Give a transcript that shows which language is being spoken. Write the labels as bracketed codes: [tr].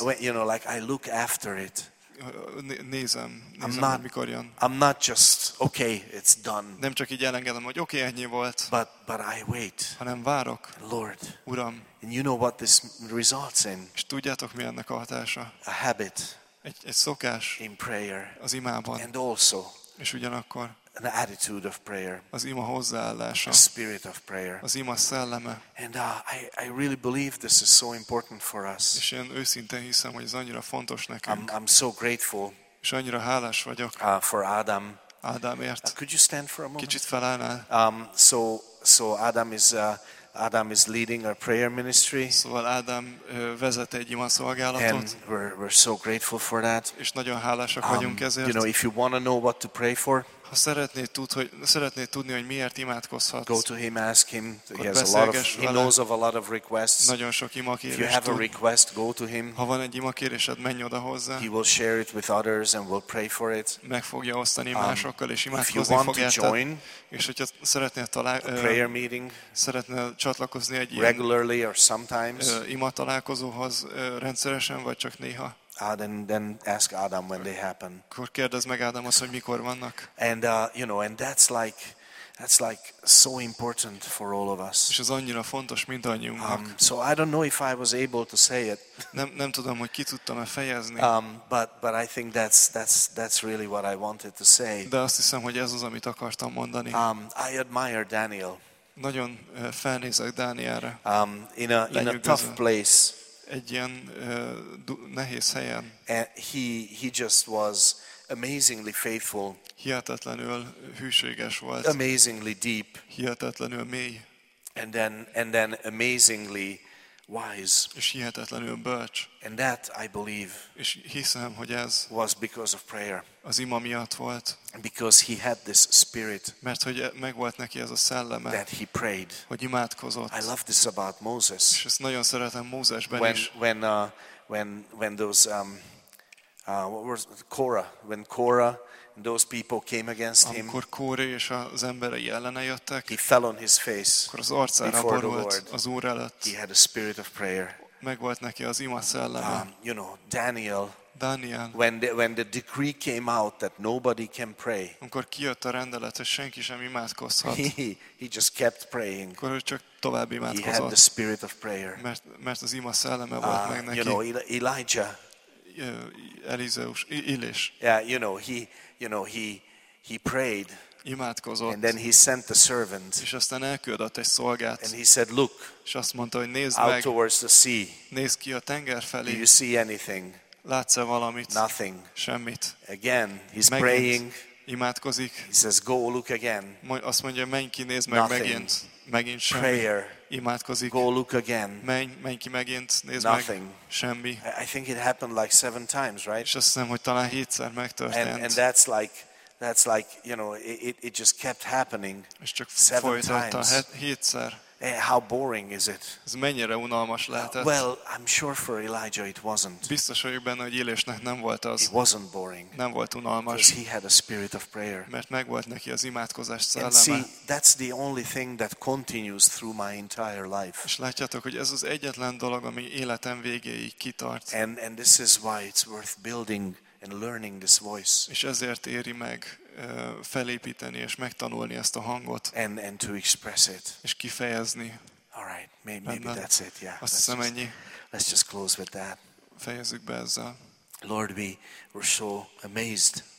[en] When, you know, like I look after it. [hu] Nézem, not, mikor jön. [en] I'm not just okay, it's done. [hu] Nem csak így elengedem, hogy oké, ennyi volt. [en] But I wait. [hu] Hanem várok. [en] Lord, [hu] Uram. [en] And you know what this results in? [hu] És tudjátok, mi ennek a hatása? [en] A habit. [hu] Egy szokás. [en] In prayer. [hu] Az imában. [en] And also. [hu] És ugyanakkor. [en] An attitude of prayer. [hu] Az ima hozzáállása. [en] A spirit of prayer. [hu] Az ima szelleme. [en] And I really believe this is so important for us. [hu] És én őszintén hiszem, hogy ez annyira fontos nekünk. [en] I'm so grateful. [hu] És annyira hálás vagyok. [en] For Adam. [hu] Ádámért. [en] Could you stand for a moment? [hu] Kicsit felállnál. [en] So Adam is Adam is leading our prayer ministry. [hu] Szóval Adam vezet egy imaszolgálatot. [en] And we're so grateful for that. [hu] És nagyon hálásak vagyunk ezért. [en] You know, if you want to know what to pray for, [hu] ha szeretnéd tudni, hogy miért imádkozhatsz, [en] go to him, ask him. He has a lot of, he knows of a lot of requests. [hu] Nagyon sok imakérés. [en] If you have a request, go to him. [hu] Ha van egy imakérésed, menj oda hozzá. [en] He will share it with others and will pray for it. [hu] Meg fogja osztani másokkal, és imádkozni fog érted. [en] Join, [hu] és hogyha szeretnél [en] prayer meeting, [hu] szeretnél csatlakozni egy [en] regularly or sometimes, [hu] ima találkozóhoz rendszeresen, vagy csak néha. [en] Then ask Adam when they happen. [hu] Akkor kérdezd meg Ádámhoz, hogy mikor vannak. [en] And you know, and that's like so important for all of us. [hu] És ez annyira fontos mindannyiunknak. [en] So I don't know if I was able to say it. [hu] Nem tudom, hogy ki tudtam-e fejezni. [en] But I think that's really what I wanted to say. [hu] De azt hiszem, hogy ez az, amit akartam mondani. [en] I admire Daniel. [hu] Nagyon felnézek Dánielre. [en] In a tough place. [hu] Egy ilyen nehéz helyen. [en] He just was amazingly faithful. [hu] Hihetetlenül hűséges volt. [en] Amazingly deep. [hu] Hihetetlenül mély. [en] And then amazingly wise. [hu] És hihetetlenül bölcs. [en] And that I believe. [hu] És hiszem, hogy ez [en] was because of prayer. [hu] Az ima miatt volt. [en] Because he had this spirit. [hu] Mert hogy megvolt neki ez a szelleme. [en] That he prayed. [hu] Hogy imádkozott. [en] I love this about Moses. [hu] És ezt nagyon szeretem Mózesben is. [en] When Korah and those people came against him. [hu] Amikor Kóre és az emberei ellene jöttek. [en] He fell on his face. [hu] Akkor az arcára borult az Úr előtt. [en] He had a spirit of prayer. [hu] Megvolt neki az ima szelleme. [en] You know, Daniel. [hu] Daniel. [en] When the decree came out that nobody can pray. [hu] Amikor kijött a rendelet, hogy senki sem imádkozhat. [en] He just kept praying. [hu] Akkor csak tovább imádkozott. [en] He had the spirit of prayer. [hu] Mert az ima szelleme volt meg neki. [en] You know, Elijah. [hu] Elizeus, Illés. [en] Yeah, he prayed. [hu] Imádkozott. [en] And then he sent the servant. [hu] És aztán elküldött egy szolgát. [en] And he said, look. [hu] És azt mondta, hogy nézd [en] out [hu] meg. [en] Out towards the sea. [hu] Nézd ki a tenger felé. [en] Do you see anything? [hu] Látsz-e valamit? [en] Nothing. [hu] Semmit. [en] Again, he's [hu] megint [en] praying. [hu] Imádkozik. [en] He says, go look again. [hu] Azt mondja, menj ki, nézd meg [en] nothing. [hu] Megint. Megint semmi. [en] Prayer. [hu] Imádkozik. [en] Go look again. [hu] Menj ki megint, nézd [en] nothing. [hu] Meg. Semmi. [en] I think it happened like 7 times, right? [hu] És azt hiszem, hogy talán 7-szer megtörtént. [en] And that's like, you know, it just kept happening. [hu] És csak folytatta 7-szer. [en] How boring is it? [hu] Ez mennyire unalmas lehetett? [en] Well, I'm sure for Elijah it wasn't. [hu] Biztos vagyok benne, hogy Élésnek nem volt az. [en] It wasn't boring. [hu] Nem volt unalmas. [en] Because he had a spirit of prayer. [hu] Mert megvolt neki az imádkozás szelleme. [en] And see, that's the only thing that continues through my entire life. [hu] És látjátok, hogy ez az egyetlen dolog, ami életem végéig kitart. [en] And this is why it's worth building and learning this voice. [hu] És ezért éri meg felépíteni és megtanulni ezt a hangot. [en] And to express it. [hu] És kifejezni. [en] All right, maybe that's it, yeah. [hu] Azt hiszem ennyi. [en] Let's just close with that. [hu] Fejezzük be ezzel. [en] Lord, we were so amazed.